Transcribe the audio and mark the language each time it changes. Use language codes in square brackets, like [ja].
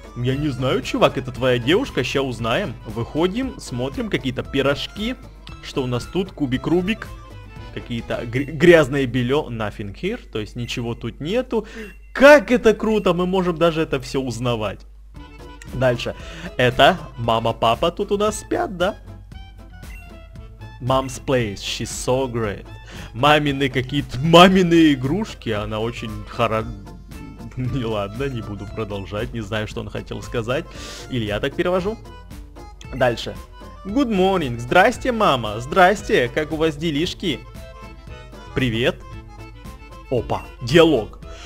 [ru] Я не знаю, чувак, это твоя девушка, сейчас узнаем. Выходим, смотрим, какие-то пирожки. Что у нас тут? Кубик-рубик. Какие-то грязное белье. [en] Nothing here, [ru] то есть ничего тут нету. Как это круто, мы можем даже это все узнавать. Дальше. Это мама-папа тут у нас спят, да? [en] Mom's place, she's so great. [ru] Мамины какие-то, мамины игрушки, она очень хоро... Не, ладно, не буду продолжать, не знаю, что он хотел сказать. Или я так перевожу? Дальше. [en] Good morning, [ru] здрасте, мама, здрасте, как у вас делишки? Привет. Опа, диалог.